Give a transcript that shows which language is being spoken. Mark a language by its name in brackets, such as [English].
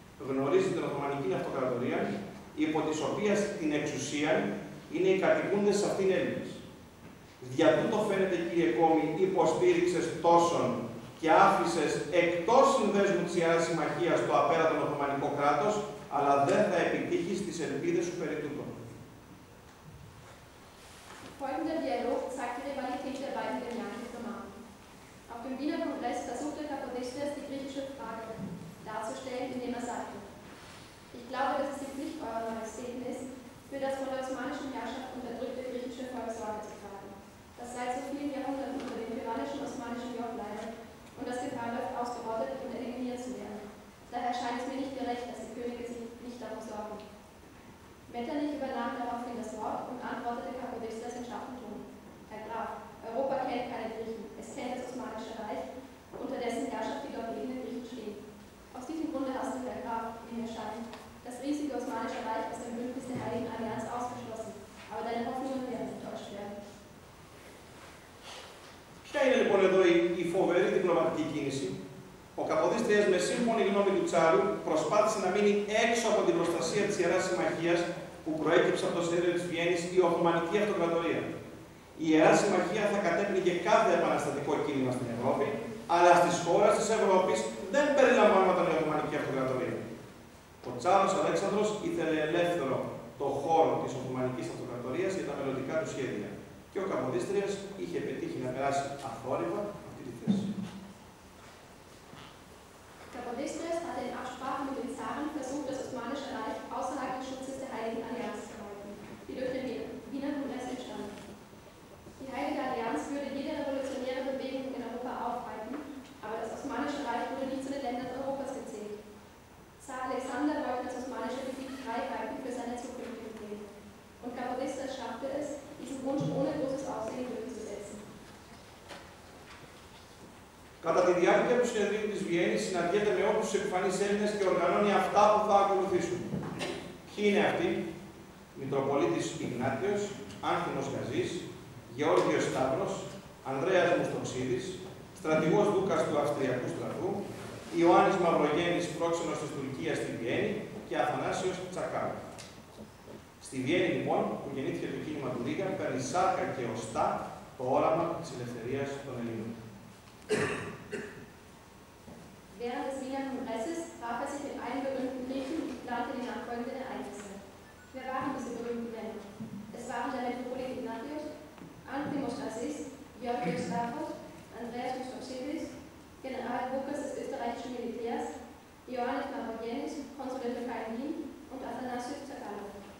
[Greek] Γνωρίζει την Οθωμανική Αυτοκρατορία, υπό της οποίας την εξουσία είναι οι κατοικούντες αυτήν Έλληνες. Δια τούτο φαίνεται, κύριε Κόμη, υποστήριξες τόσον και άφησες εκτός συνδέσμου της Ιεράς Συμμαχίας το απέραντο Οθωμανικό κράτος, αλλά δεν θα επιτύχεις τις ελπίδες σου περί τούτο. [German] Folgender Dialog zeigt die Rivalität der beiden Gemeinden zum Markt. Auf dem Wiener Kongress versuchte Kapodistas die griechische Frage darzustellen, indem er sagte: Ich glaube, dass es die Pflicht eurer Majestäten ist, für das von der osmanischen Herrschaft unterdrückte griechische Volk Sorge zu tragen. Das seit so vielen Jahrhunderten unter dem tyrannischen osmanischen Joch leidet und das Gefahr läuft, ausgerottet und eliminiert zu werden. Daher scheint es mir nicht gerecht, dass die Könige sich nicht darum sorgen. Metternich übernahm daraufhin das Wort und antwortete Kapodistas in scharfem Ton. Herr Graf, Europa kennt keine Griechen, es kennt das Osmanische Reich, unter dessen Herrschaft die dort lebenden Griechen stehen. Aus diesem Grunde hast du, Herr Graf, wie mir scheint, das riesige Osmanische Reich aus dem Bündnis der Heiligen Allianz ausgeschlossen. Aber deine Hoffnungen werden sich täuscht werden. [Greek] Ποια είναι λοιπόν εδώ η φοβερή διπλωματική κίνηση? Ο Καποδίστριας, με σύμφωνη γνώμη του Τσάρου, προσπάθησε να μείνει έξω από την προστασία της Ιεράς Συμμαχίας που προέκυψε από το σχέδιο της Βιέννης η Οθωμανική Αυτοκρατορία. Η Ιερά Συμμαχία θα κατέπνιγε κάθε επαναστατικό κίνημα στην Ευρώπη, αλλά στις χώρες της Ευρώπης δεν περιλαμβάνονταν η Οθωμανική Αυτοκρατορία. Ο Τσάρος Αλέξανδρος ήθελε ελεύθερο το χώρο της Οθωμανικής Αυτοκρατορίας για τα μελλοντικά του σχέδια. Και ο Καποδίστριας είχε πετύχει να περάσει αθόρυβα αυτή τη θέση. [German] Καποδίστριας hatte in Absprache mit den Zaren versucht, das Osmanische Reich außerhalb des Schutzes der Heiligen Allianz zu halten, die durch den Wiener Kongress entstand. Die Heilige Allianz würde jede revolutionäre Bewegung in Europa aufhalten, aber das Osmanische Reich wurde nicht zu den Ländern Europas gezählt. Zar Alexander wollte das Osmanische Gebiet freihalten für seine zukünftigen Pläne. Und Caporistas schaffte es, diesen Wunsch ohne großes Aufsehen durchzusetzen. [Greek] Κατά τη διάρκεια του συνεδρίου της Βιέννης συναντιέται με όλους τους επιφανείς Έλληνες και οργανώνει αυτά που θα ακολουθήσουν. Ποιοι είναι αυτοί? Μητροπολίτης Ιγνάτιος, Άνθιμος Γαζής, Γεώργιος Σταύρος, Ανδρέας Μουστοξίδης, στρατηγός Δούκας του Αυστριακού στρατού, Ιωάννης Μαυρογέννης, πρόξενος της Τουρκίας στη Βιέννη και Αθανάσιος Τσακάλου. Στη Βιέννη λοιπόν, που γεννήθηκε το κίνημα του Ρίγα, παίρνει σάρκα και οστά το όραμα της ελευθερίας των Ελλήνων. [German] Während des Wiener Kongresses traf er sich mit allen berühmten Griechen und plante die nachfolgenden Ereignisse. Wer waren diese berühmten Männer? Es waren der Metropolit Ignatius, Anthimos Gazis, Georgios Staffos, Andreas Mustoxidis, General Bukas des österreichischen Militärs, Ioannis Marogenis, Konsul der Türkei in Wien und Athanasius Zakalo.